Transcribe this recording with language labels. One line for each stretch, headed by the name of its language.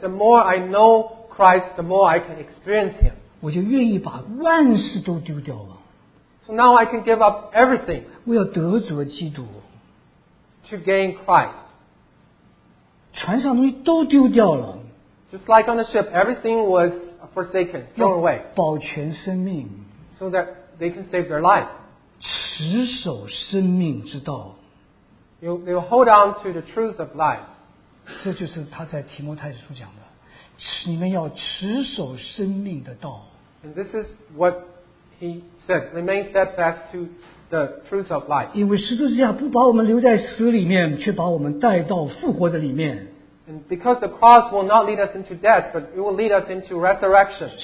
English: the more I know Christ, the more I can experience Him.
Chinese: 我就愿意把万事都丢掉了。
English: So now I can give up everything.
Chinese: 我要得着基督。
English: To gain Christ.
Chinese: 船上东西都丢掉了。
English: Just like on the ship, everything was forsaken, thrown away.
Chinese: 保全生命,
English: so that they can save their life.
Chinese: 持守生命之道,
English: they will hold on to the truth of life.
Chinese: 这就是他在提摩太书讲的, 你们要持守生命的道。
English: And this is what he said, remain steadfast to the truth of life.
Chinese: 因为十字架不把我们留在死里面, 却把我们带到复活的里面。
English: And because the cross will not lead us into death, but it will lead us into resurrection.